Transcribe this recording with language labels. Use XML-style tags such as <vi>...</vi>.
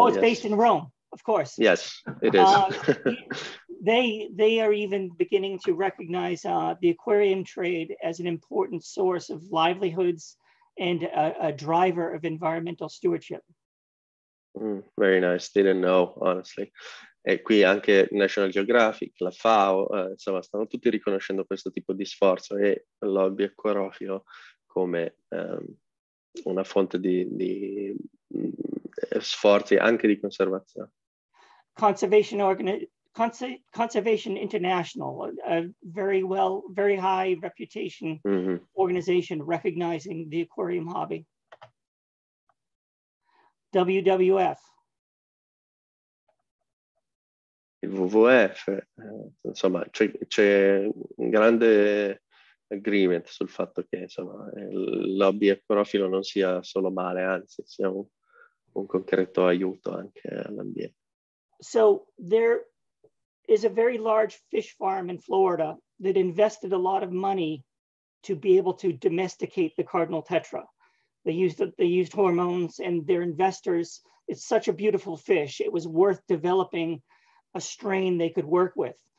<en>Oh, it's based in Rome, of course. Yes, it is. they are even beginning to recognize the aquarium trade as an important source of livelihoods and a driver of environmental stewardship. Very nice. Didn't know, honestly.</en> <it>E qui anche National Geographic, la FAO, insomma, stanno tutti riconoscendo questo tipo di sforzo e lobby acquariofilo come una fonte di sforzi anche di conservazione.</it> <en>Conservation International, a very well, very high reputation organization recognizing the aquarium hobby. WWF.</en> <it>WWF, insomma, c'è un grande agreement sul fatto che insomma il lobby acquariofilo non sia solo male, anzi sia un concreto aiuto anche all'ambiente.</it> <en>So there is a very large fish farm in Florida that invested a lot of money to be able to domesticate the Cardinal Tetra. They used hormones and their investors. It's such a beautiful fish. It was worth developing a strain they could work with.</en>